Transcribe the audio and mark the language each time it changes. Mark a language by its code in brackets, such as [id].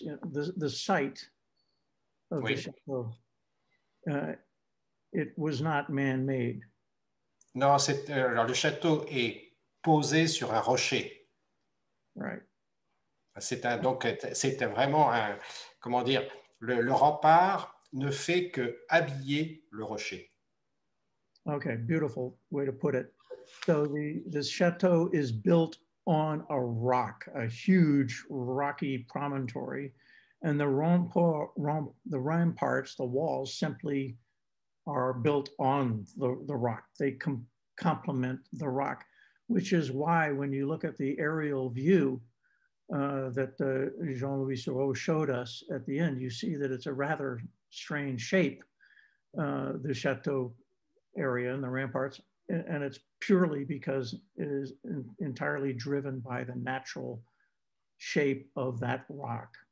[en] You know, the site of the chateau, it was not man-made. [fr] Non, alors le château est posé sur un rocher. [en] Right. [fr] C'est un, donc c'était vraiment un, comment dire, le rempart ne fait que habiller le rocher. [en] Okay, beautiful way to put it. So the château is built on a rock, a huge rocky promontory, and the ramparts, the walls simply are built on the rock. They complement the rock, which is why when you look at the aerial view that Jean-Louis Sureau showed us at the end, you see that it's a rather strange shape, the chateau area and the ramparts, and it's purely because it is entirely driven by the natural shape of that rock.